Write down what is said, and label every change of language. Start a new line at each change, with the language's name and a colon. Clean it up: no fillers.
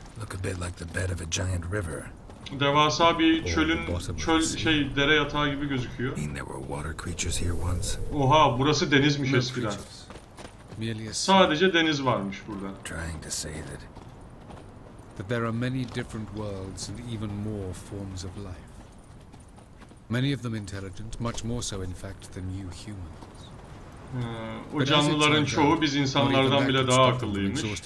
English: Look a bit like the bed of a giant river.
Turkish: Devasa bir çölün çöl şey dere yatağı gibi gözüküyor.
English: Mean there were water creatures here once.
Turkish: Oha, burası denizmiş eskiden. Sadece deniz varmış burada.
English: Trying to say that there are many different worlds and even more forms of life. Many of them intelligent, much more so in fact than you humans.
Turkish: O canlıların çoğu biz insanlardan bile daha akıllıymış.